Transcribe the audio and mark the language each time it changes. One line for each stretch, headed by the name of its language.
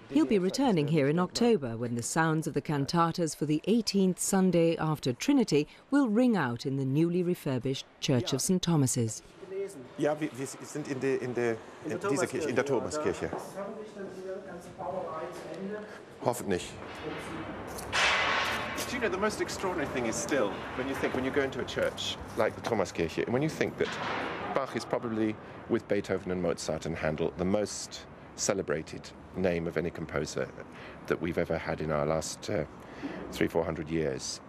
English: He'll be returning here in October when the sounds of the cantatas for the 18th Sunday after Trinity will ring out in the newly refurbished Church of St. Thomas's.
German: Ja, wir sind in dieser Kirche, in der Thomaskirche. Hoffentlich.
English: Do you know, the most extraordinary thing is still, when you go into a church like the Thomaskirche, and when you think that Bach is probably, with Beethoven and Mozart and Handel, the most celebrated name of any composer that we've ever had in our last 300-400 years.